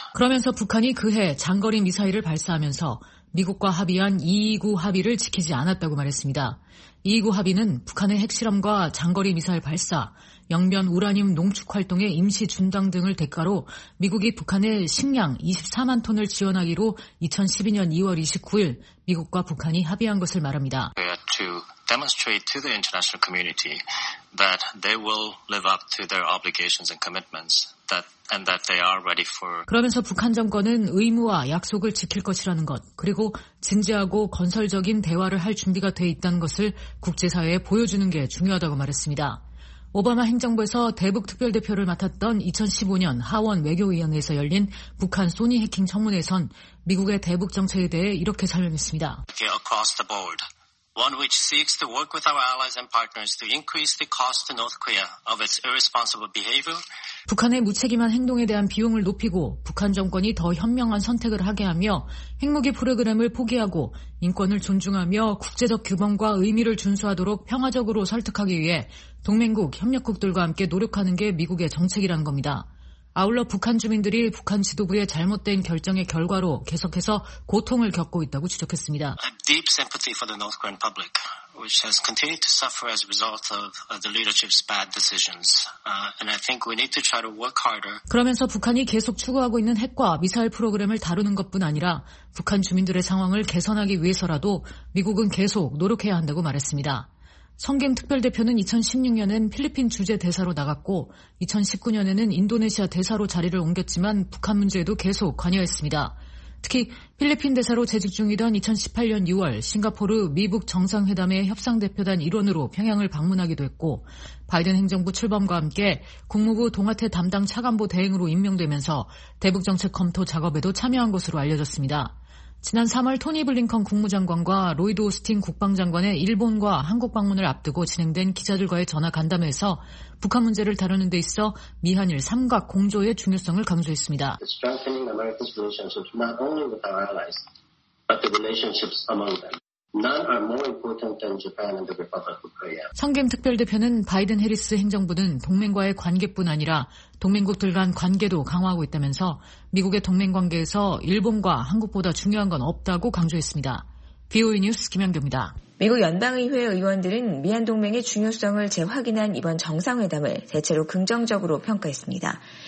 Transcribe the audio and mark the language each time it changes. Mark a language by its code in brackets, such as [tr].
[ko] 그러면서 북한이 그해 장거리 미사일을 발사하면서 미국과 합의한 2.29 합의를 지키지 않았다고 말했습니다. 2.29 합의는 북한의 핵실험과 장거리 미사일 발사, 영변 우라늄 농축 활동의 임시 중단 등을 대가로 미국이 북한에 식량 24만 톤을 지원하기로 2012년 2월 29일 미국과 북한이 합의한 것을 말합니다. [en] To demonstrate to the international community that they will live up to their obligations and commitments. And that they are ready for. [ko] 그러면서 북한 정권은 의무와 약속을 지킬 것이라는 것, 그리고 진지하고 건설적인 대화를 할 준비가 돼 있다는 것을 국제사회에 보여주는 게 중요하다고 말했습니다. 오바마 행정부에서 대북특별대표를 맡았던 2015년 하원 외교위원회에서 열린 북한 소니 해킹 청문회에선 미국의 대북정책에 대해 이렇게 설명했습니다. [en] Across the board, one which seeks to work with our allies and partners to increase the cost to North Korea of its irresponsible behavior. [ko] 북한의 무책임한 행동에 대한 비용을 높이고 북한 정권이 더 현명한 선택을 하게 하며 핵무기 프로그램을 포기하고 인권을 존중하며 국제적 규범과 의미를 준수하도록 평화적으로 설득하기 위해 동맹국, 협력국들과 함께 노력하는 게 미국의 정책이라는 겁니다. 아울러 북한 주민들이 북한 지도부의 잘못된 결정의 결과로 계속해서 고통을 겪고 있다고 지적했습니다. [en] A deep sympathy for the North Korean public, which has continued to suffer as a result of the leadership's bad decisions. And I think we need to try to work harder. [ko] 그러면서 북한이 계속 추구하고 있는 핵과 미사일 프로그램을 다루는 것뿐 아니라 북한 주민들의 상황을 개선하기 위해서라도 미국은 계속 노력해야 한다고 말했습니다. 성겜 특별대표는 2016년엔 필리핀 주재 대사로 나갔고 2019년에는 인도네시아 대사로 자리를 옮겼지만 북한 문제에도 계속 관여했습니다. 특히 필리핀 대사로 재직 중이던 2018년 6월 싱가포르 미북 정상회담의 협상대표단 일원으로 평양을 방문하기도 했고 바이든 행정부 출범과 함께 국무부 동아태 담당 차관보 대행으로 임명되면서 대북정책 검토 작업에도 참여한 것으로 알려졌습니다. 지난 3월 토니 블링컨 국무장관과 로이드 오스틴 국방장관의 일본과 한국 방문을 앞두고 진행된 기자들과의 전화 간담회에서 북한 문제를 다루는 데 있어 미한일 삼각 공조의 중요성을 강조했습니다. [en] Strengthening America's relationships not only with our allies, but the relationships among them. None are more important than Japan and the Republic of Korea. [ko] 성겜 특별대표는 바이든 해리스 행정부는 동맹과의 관계뿐 아니라 동맹국들 간 관계도 강화하고 있다면서 미국의 동맹관계에서 일본과 한국보다 중요한 건 없다고 강조했습니다. VOA 뉴스 김현경입니다. 미국 연방의회 의원들은 미한동맹의 중요성을 재확인한 이번 정상회담을 대체로 긍정적으로 평가했습니다.